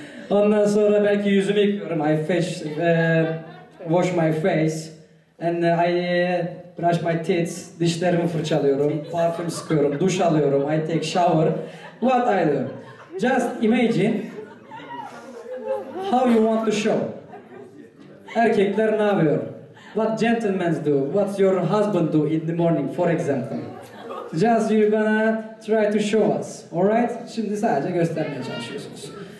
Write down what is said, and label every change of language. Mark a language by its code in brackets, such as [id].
[tr] Ondan sonra belki yüzümü yıkıyorum. [en] I fish, wash my face and brush my teeth. [tr] Dişlerimi fırçalıyorum. Parfüm sıkıyorum. Duş alıyorum. [en] I take shower. What I do? Just imagine how you want to show. [tr] Erkekler ne yapıyor? [en] What gentlemen do? What's your husband do in the morning, for example? Just you're gonna try to show us, all right? [tr] Şimdi sadece göstermeye çalışıyorsunuz.